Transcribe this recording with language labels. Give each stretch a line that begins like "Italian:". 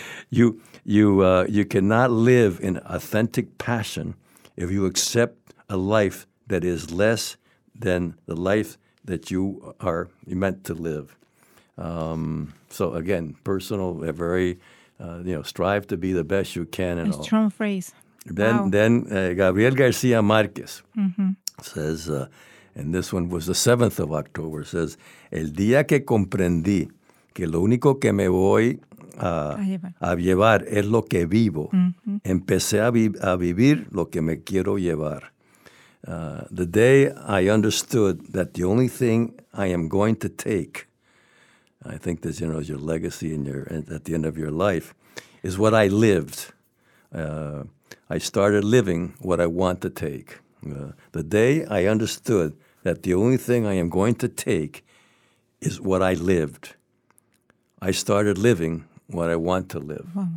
English: You cannot live in authentic passion if you accept a life that is less than the life that you are meant to live. So again, personal, strive to be the best you can. And a strong phrase. Then Gabriel Garcia Marquez mm-hmm. says. And this one was the 7th of October.
Spanish: It says, el día que comprendí que lo único que me voy a llevar es lo que vivo, mm-hmm. empecé a vivir lo que me quiero llevar.
English: The day I understood that the only thing I am going to take, I think this, is your legacy at the end of your life, is what I lived. I started living what I want to take. The day I understood that the only thing I am going to take is what I lived, I started living what I want to live.